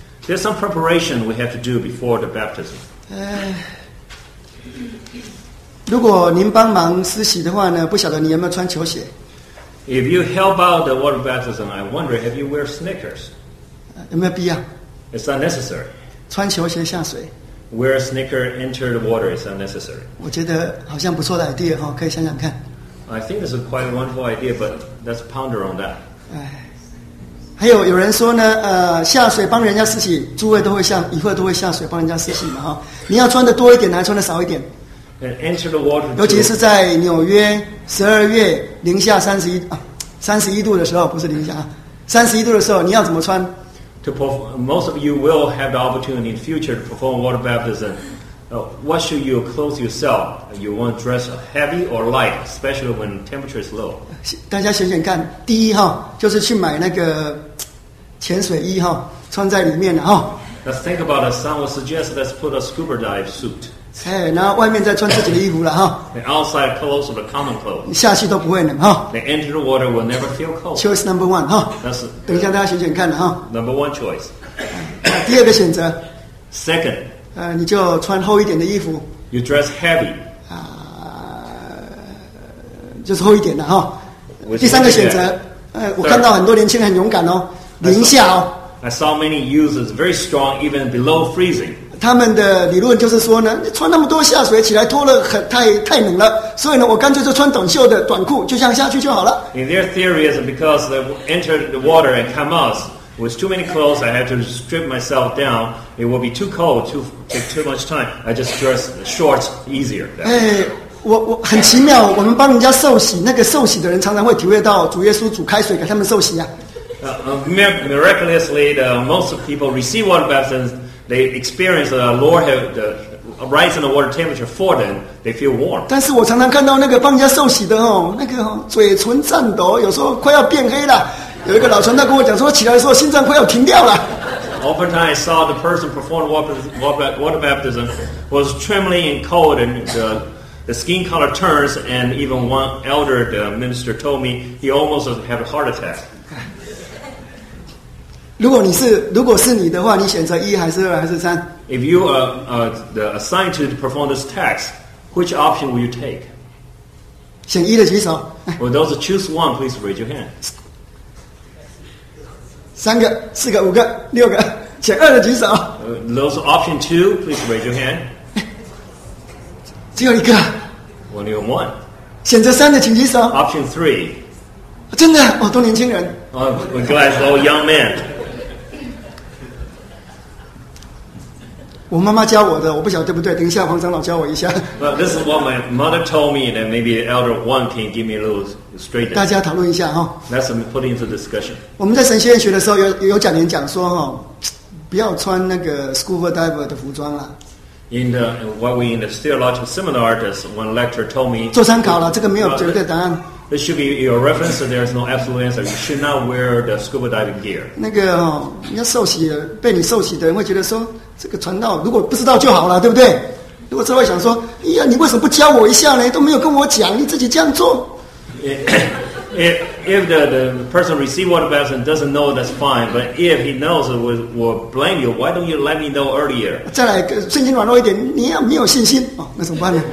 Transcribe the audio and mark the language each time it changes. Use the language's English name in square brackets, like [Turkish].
[English] There's some preparation we have to do before the baptism. [Chinese] 如果您帮忙施洗的话呢，不晓得你有没有穿球鞋 [English] ？If you help out the water baptism, I wonder have you wear sneakers? [Chinese] 有没有必要 [English] ？It's not necessary. [Chinese] 穿球鞋下水。 [English] Wear a sneaker, enter the water is unnecessary. [Chinese] 我觉得好像不错的 idea 哈，可以想想看。 [English] I think it's a quite wonderful idea, but let's ponder on that. [Chinese] 还有人说呢，下水帮人家施洗，诸位都会下，以后都会下水帮人家施洗嘛哈。你要穿的多一点，还穿的少一点 [English] ？And enter the water. [Chinese] 尤其是在纽约十二月零下三十一度的时候，不是零下啊，三十一度的时候，你要怎么穿？ [English] To perform, most of you will have the opportunity in the future to perform water baptism. What should you clothe yourself? You want to dress heavy or light, especially when temperature is low. [Chinese] 大家选选看，第一哈，就是去买那个潜水衣哈。穿在里面了、 [English] 哦、Let's think about it. Some would suggest let's put a scuba dive suit. [Chinese] 哎，然后外面再穿自己的衣服了哈。 [English] The outside clothes or the common clothes. [Chinese] 你下去都不会冷哈。 [English] The enter the water will never feel cold. Choice number one 哈、哦。That's [Chinese] 等一下大家选选看哈、 [English] 哦。Number one choice. [Chinese] 第二个选择。 [English] Second. [Chinese] 你就穿厚一点的衣服。 [English] You dress heavy. [Chinese] 就是厚一点的哈、哦。第三个选择。哎、我看到很多年轻人很勇敢哦，零下哦。 [English] I saw many users very strong even below freezing. [Chinese] 他们的理论就是说呢，穿那么多下水起来脱了很太冷了，所以呢，我干脆就穿短袖的短裤，就像下去就好了。 [English] In their theory is because they entered the water and come out with too many clothes, I had to strip myself down. It will be too cold, too take too much time. I just dress shorts easier. [Chinese] 我很奇妙，我们帮人家受洗，那个受洗的人常常会体会到主耶稣煮开水给他们受洗啊。 [English] Miraculously, the most people receive water baptism. They experience the Lord have the rise in the water temperature for them. They feel warm. [Chinese] 但是我常常看到那个帮人家受洗的哦，那个嘴唇颤抖，有时候快要变黑了。有一个老传道跟我讲说，起来的时候心脏快要停掉了。 [English] Oftentimes, I saw the person perform water baptism was trembling and cold, and the skin color turns. And even one elder minister told me he almost had a heart attack. [Chinese] 如果是你的话，你选择一还是二还是三 [English] ？If you are assigned to perform this task, which option will you take? [Chinese] 选一的举手。 [English] Well, those choose one, please raise your hand. [Chinese] 三个、四个、五个、六个，选二的举手。 [English] Those option two, please raise your hand. [Chinese] 只有一个。 [English] Only one. [Chinese] 选择三的请举手。 [English] Option three. [Chinese] 真的，哦，都年轻人。 [English] Oh, we're glad it's all young men. [Chinese] 我妈妈教我的，我不晓得对不对。等一下，黄长老教我一下。 [English] But this is what my mother told me, and maybe the elder one can give me a little straight. [Chinese] 大家讨论一下哈。 [English] Let's put into discussion. [Chinese] 我们在神学院学的时候，有讲员讲说哈，不要穿那个 scuba diver 的服装了。 [English] In the what we in the theological seminar, this one lecturer told me. [Chinese] 做参考了，这个没有绝对答案。 [English] This should be your reference. So there is no absolute answer. You should not wear the scuba diving gear. [Chinese] 那个哈，要受洗被你受洗的人会觉得说。这个传道如果不知道就好了，对不对？如果之后想说，哎呀，你为什么不教我一下呢？都没有跟我讲，你自己这样做。 [English] If the person receive water baptism doesn't know, that's fine. But if he knows, we'll blame you. Why don't you let me know earlier? [Chinese] 再来，信心软弱一点，你要没有信心哦，那怎么办呢